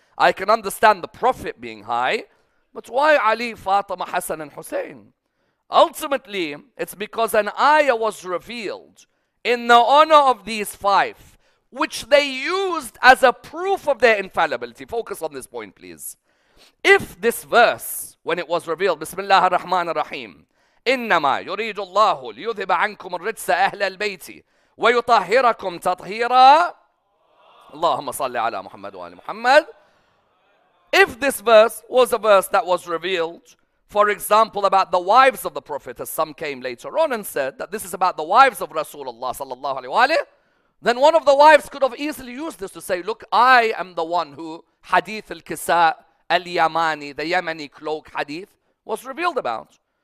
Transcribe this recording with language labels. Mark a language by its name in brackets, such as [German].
[English] I can understand the Prophet being high, but why Ali, Fatima, Hassan and Hussein? Ultimately, it's because an ayah was revealed in the honor of these five, which they used as a proof of their infallibility. Focus on this point, please. If this verse, when it was revealed, Bismillah ar-Rahman ar-Rahim, [Arabic] إِنَّمَا يُرِيدُ اللَّهُ لِيُذِبَ عَنْكُمُ الرِّجْسَ أَهْلَ الْبَيْتِ وَيُطَهِّرَكُمْ تَطْهِيرًا اللهم صلي على محمد وآل محمد. [English] If this verse was a verse that was revealed, for example, about the wives of the Prophet, as some came later on and said that this is about the wives of Rasulullah sallallahu alayhi wa alayhi, then one of the wives could have easily used this to say, look, I am the one who Hadith al-Kisa al-Yamani, the Yemeni cloak hadith, was revealed about.